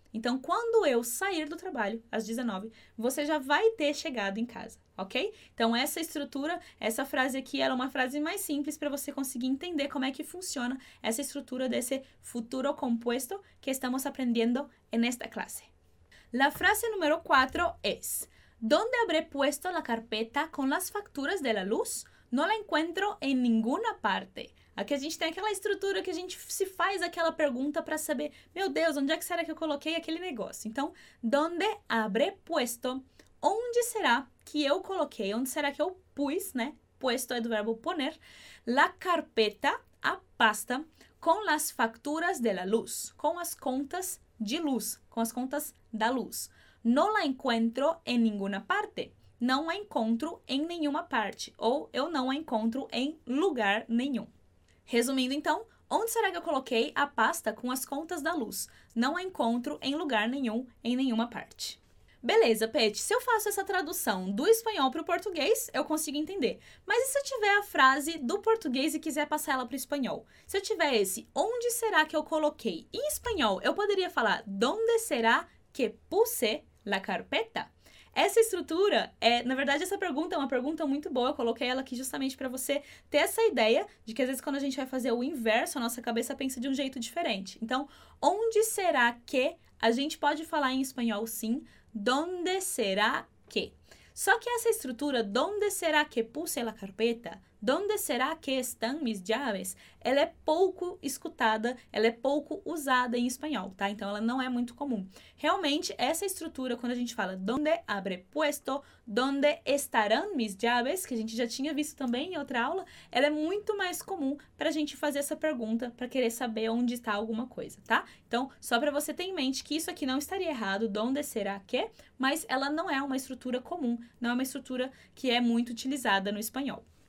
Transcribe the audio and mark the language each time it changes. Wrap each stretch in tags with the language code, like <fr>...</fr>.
<pt>Então, quando eu sair do trabalho, às 19, você já vai ter chegado em casa, ok? Então, essa estrutura, essa frase aqui, ela é uma frase mais simples para você conseguir entender como é que funciona essa estrutura desse futuro compuesto que estamos aprendendo nesta classe.</pt> <es>La frase número 4 es: ¿Dónde habré puesto la carpeta con las facturas de la luz? No la encuentro en ninguna parte.</es> <pt>Aqui a gente tem aquela estrutura que a gente se faz aquela pergunta para saber, meu Deus, onde é que será que eu coloquei aquele negócio?</pt> <es>Então, ¿dónde habré puesto?</es> <pt>Onde será que eu coloquei? Onde será que eu pus, né? Puesto é do verbo poner.</pt> <es>La carpeta,</es> <pt>a pasta,</pt> <es>con las facturas de la luz.</es> <pt>Com as contas de luz, com as contas da luz.</pt> <es>No la encuentro en ninguna parte.</es> <pt>Não a encontro em nenhuma parte. Ou eu não a encontro em lugar nenhum. Resumindo então, onde será que eu coloquei a pasta com as contas da luz? Não a encontro em lugar nenhum, em nenhuma parte. Beleza, Pet, se eu faço essa tradução do espanhol para o português, eu consigo entender. Mas e se eu tiver a frase do português e quiser passar ela para o espanhol? Se eu tiver esse, onde será que eu coloquei? Em espanhol, eu poderia falar,</pt> <es>¿dónde será que puse la carpeta?</es> <pt>Essa estrutura, na verdade, essa pergunta é uma pergunta muito boa. Eu coloquei ela aqui justamente para você ter essa ideia de que, às vezes, quando a gente vai fazer o inverso, a nossa cabeça pensa de um jeito diferente. Então, onde será que a gente pode falar em espanhol, sim? ¿Dónde será que? Só que essa estrutura,</pt> <es>¿dónde será que puse la carpeta? ¿Dónde será que están mis llaves?</es> <pt>Ela é pouco escutada, ela é pouco usada em espanhol, tá? Então, ela não é muito comum. Realmente, essa estrutura, quando a gente fala</pt> <es>¿dónde habré puesto? ¿Dónde estarán mis llaves?</es> <pt>Que a gente já tinha visto também em outra aula, ela é muito mais comum para a gente fazer essa pergunta, para querer saber onde está alguma coisa, tá? Então, só para você ter em mente que isso aqui não estaria errado, ¿dónde será que? Mas ela não é uma estrutura comum, não é uma estrutura que é muito utilizada no espanhol.</pt>